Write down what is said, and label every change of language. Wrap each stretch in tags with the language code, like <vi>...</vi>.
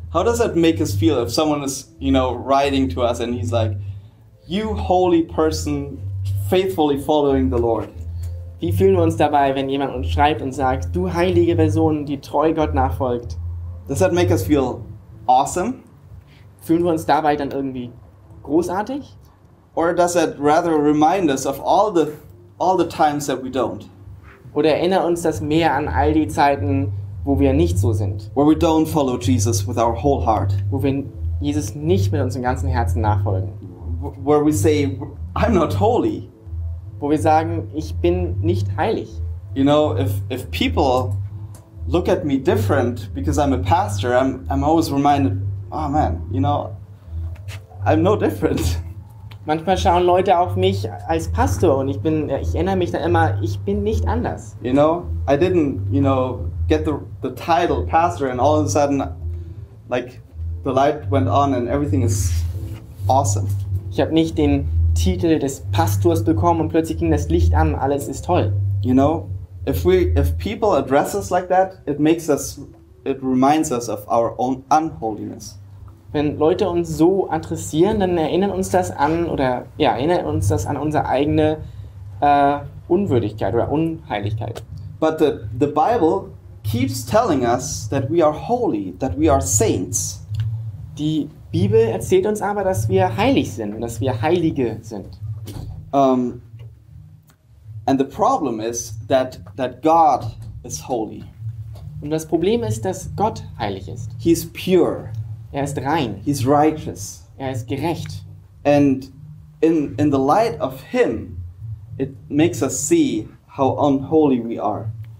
<en>How does that make us feel if someone is, you know, writing to us and he's like, you holy person, faithfully following the Lord?</en> <de>Wie fühlen wir uns dabei, wenn jemand uns schreibt und sagt, du heilige Person, die treu Gott nachfolgt?</de> <en>Does that make us feel awesome?</en> <de>Fühlen wir uns dabei dann irgendwie großartig?</de> <en>Or does that rather remind us of all the times that we don't?</en> <de>Oder erinnert uns das mehr an all die Zeiten, wo wir nicht so sind.</de> <en>Where we don't follow Jesus with our whole heart.</en> <de>Wo wir Jesus nicht mit unserem ganzen Herzen nachfolgen.</de> <en>Where we say, I'm not holy.</en> <de>Wo wir sagen, ich bin nicht heilig.</de> <en>You know, if people look at me different because I'm a pastor, I'm always reminded, oh man, you know, I'm no different.</en> <de>Manchmal schauen Leute auf mich als Pastor und ich erinnere mich dann immer, ich bin nicht anders.</de> <en>You know, I didn't, you know, get the title pastor and all of a sudden, like, the light went on and everything is awesome.</en> <de>Ich habe nicht den Titel des Pastors bekommen und plötzlich ging das Licht an, alles ist toll.</de> <en>You know, if people address us like that, it reminds us of our own unholiness.</en> <de>Wenn Leute uns so adressieren, dann erinnert uns das an unsere eigene Unwürdigkeit oder Unheiligkeit.</de> <en>But the Bible keeps telling us that we are holy, that we are saints.</en> <de>Die Bibel erzählt uns aber, dass wir heilig sind, dass wir Heilige sind.</de> <en>And the problem is that God is holy.</en> <de>Und das Problem ist, dass Gott heilig ist.</de> <en>He's pure.</en> <de>Er ist rein.</de> <en>He's righteous.</en> <de>Er ist gerecht.</de> <en>And in the light of him, it makes us see how unholy we are.</en>